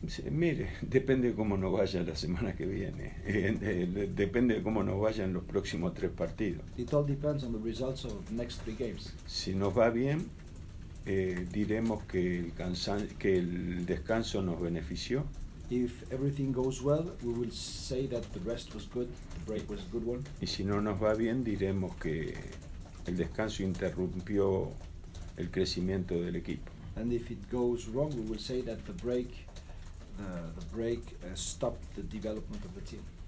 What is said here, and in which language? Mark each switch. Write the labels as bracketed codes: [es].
[es] Mire, depende de cómo nos vaya la semana que viene. Depende de cómo nos vayan los próximos 3 partidos. [en] It all depends on the results of the next 3 games. [es] Si nos va bien, diremos que el descanso nos benefició. [en] If everything goes well, we will say that the rest was good, the break was a good one. [es] Y si no nos va bien, diremos que el descanso interrumpió el crecimiento del equipo. [en] And if it goes wrong, we will say that the break stopped the development of the team.